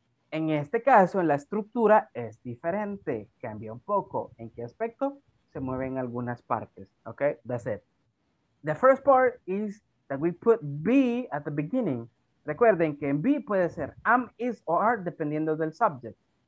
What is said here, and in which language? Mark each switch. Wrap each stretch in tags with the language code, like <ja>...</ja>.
<es>En este caso, en la estructura es diferente. Cambia un poco. ¿En qué aspecto? Se mueven algunas partes.</es> <en>Okay, that's it. The first part is that we put be at the beginning.</en> <es>Recuerden que en be puede ser am, is, or are, dependiendo del subject.</es>